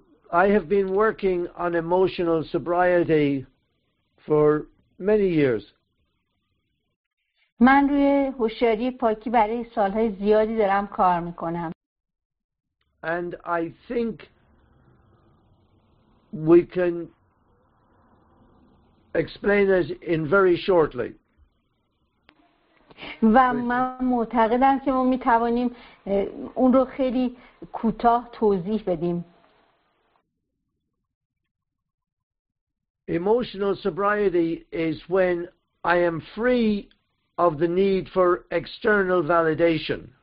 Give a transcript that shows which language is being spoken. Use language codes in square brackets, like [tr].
[en] I have been working on emotional sobriety for many years. [fa] من روی هوشیاری پاکی برای سالهای زیادی دارم کار میکنم. [en] And I think we can explain it in very shortly. [fa] و من معتقدم که ما میتوانیم اون رو خیلی کوتاه توضیح بدیم. [en] Emotional sobriety is when I am free of the need for external validation.